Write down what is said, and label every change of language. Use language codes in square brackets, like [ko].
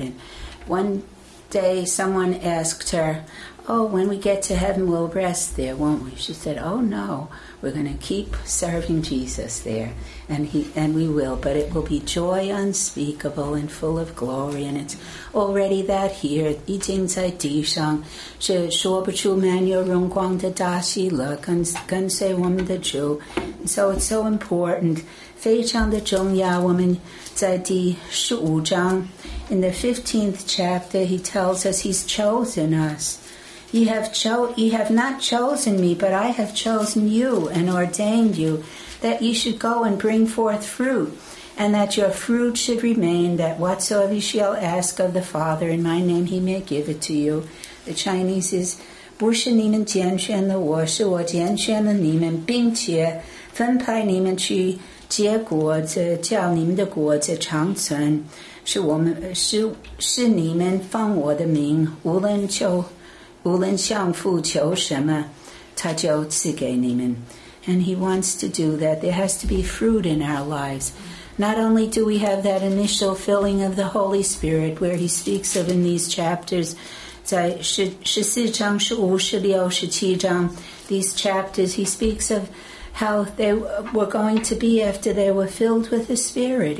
[en] And one day someone asked her, oh, when we get to heaven, we'll rest there, won't we? She said, oh, no, we're going to keep serving Jesus there, and we will. But it will be joy unspeakable and full of glory, and it's already that here. [zh] 已经在地上是说不出满有荣光的大喜乐跟随我们的主。 [en] So it's so important, [zh] 非常的重要。我们在第十五章 [en] in the 15th chapter, he tells us he's chosen us. You have not chosen me, but I have chosen you and ordained you that you should go and bring forth fruit, and that your fruit should remain, that whatsoever you shall ask of the Father in my name, he may give it to you. The Chinese is, [zh] 不是你们拣选了我，是我拣选了你们，并且分派你们去结果子，叫你们的果子长存，是你们奉我的名，无论向父求什么，他就赐给你们。 [en] And he wants to do that. There has to be fruit in our lives. Not only do we have that initial filling of the Holy Spirit, where he speaks of in these chapters, [zh] 在十四章、十五、十六、十七章 [en] these chapters, he speaks of how they were going to be after they were filled with the Spirit.